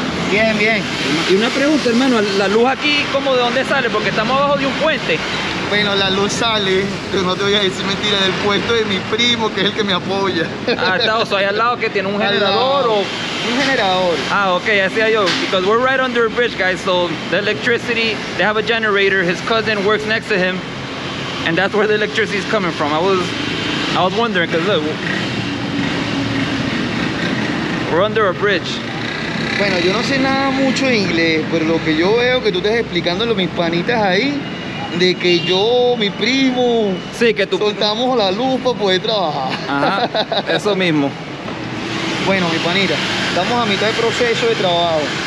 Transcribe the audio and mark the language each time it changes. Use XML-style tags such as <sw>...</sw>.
<es>Bien, bien. Y una pregunta, hermano, ¿la luz aquí como de dónde sale? Porque estamos abajo de un puente. Bueno, la luz sale, pero no te voy a decir mentira, del puesto de mi primo, que es el que me apoya. Ah, está, o sea, ahí al lado que tiene un generador o... Un generador. Ah, ok, así yo.</es> <en>Because we're right under a bridge, guys, so the electricity, they have a generator, his cousin works next to him. And that's where the electricity is coming from. I was wondering, because look, we're under a bridge.</en> <es>Bueno, yo no sé nada mucho de inglés, pero lo que yo veo que tú estás explicando a mis panitas ahí, de que yo, mi primo, sí, que tú... soltamos la luz para poder trabajar. Ajá, eso mismo. Bueno, mi panita, estamos a mitad del proceso de trabajo.</es>